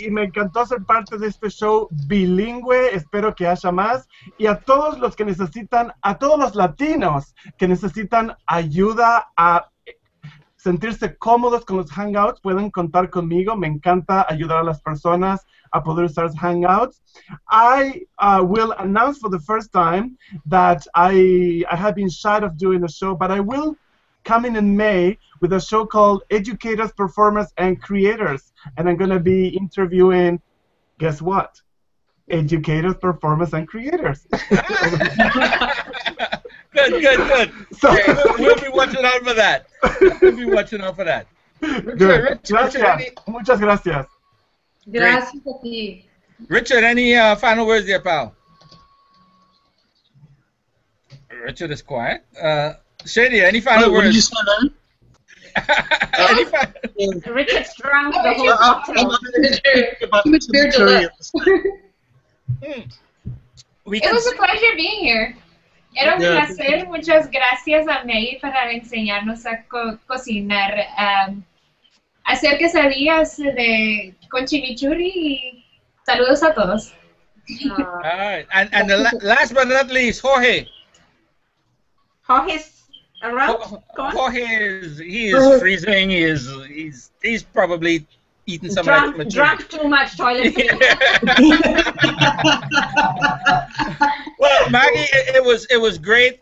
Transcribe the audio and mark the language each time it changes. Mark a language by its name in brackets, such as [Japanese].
[Spanish] Y me encantó ser parte de este show bilingüe. Espero que haya más. Y a todos los latinos que necesitan ayuda a sentirse cómodos con los hangouts, pueden contar conmigo. Me encanta ayudar a las personas a poder usar hangouts. [English] I will announce for the first time that I have been shy of doing a show, but I will come in May with a show called Educators, Performers, and Creators. And I'm going to be interviewing, guess what? Educators, Performers, and Creators. Good. So, we'll be watching out for that. [Spanish] Good. Muchas gracias. Gracias a ti. [English] Richard, any final words there, pal? Richard is quiet. Shady, any final words? What did you say, man? Richard's drunk the whole afternoon. It was a pleasure being here. [Spanish] Era un placer. Muchas gracias a May para enseñarnos a cocinar, hacer quesadillas con chimichurri. Saludos a todos. [English] All right. And the last but not least, Jorge. Jorge is freezing. He's probably eating some of that chimichurri. Drunk too much toilet paper. Well, Maggie, it was great.